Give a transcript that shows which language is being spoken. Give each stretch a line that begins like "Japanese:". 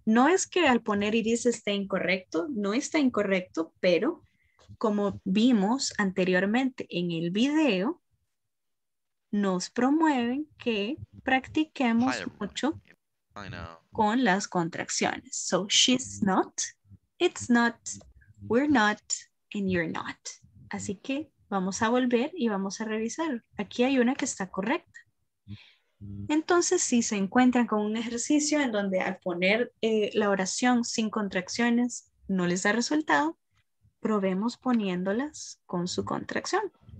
Spanish: No es que al poner iris esté incorrecto, no está incorrecto, pero como vimos anteriormente en el video, nos promueven que practiquemos mucho con las contracciones.
English: So, she's not, it's not, we're not, and you're not.
Spanish: Así que vamos a volver y vamos a revisar. Aquí hay una que está correcta. Entonces, si se encuentran con un ejercicio en donde al poner la oración sin contracciones no les da resultado, probemos poniéndolas con su contracción.